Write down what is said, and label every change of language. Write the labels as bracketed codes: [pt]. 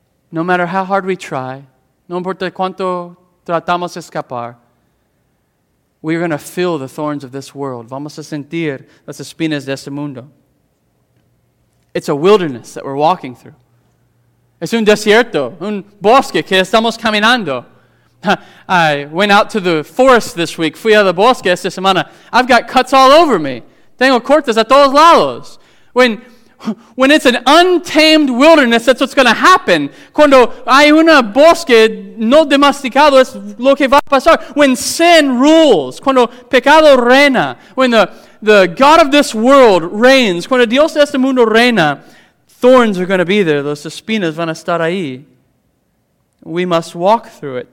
[en] No matter how hard we try, no importa cuánto tratamos de escapar, we're going to feel the thorns of this world. [es] Vamos a sentir las espinas de este mundo. It's a wilderness that we're walking through. Es un desierto, un bosque que estamos caminando. [en] I went out to the forest this week. Fui a la bosque esta semana. I've got cuts all over me. Tengo cortes a todos lados. When it's an untamed wilderness, that's what's going to happen. [es] Cuando hay una bosque no domesticado, es lo que va a pasar. [en] When sin rules, cuando pecado reina, when the God of this world reigns, cuando Dios de este mundo reina, thorns are going to be there. [es] Los espinas van a estar ahí. We must walk through it.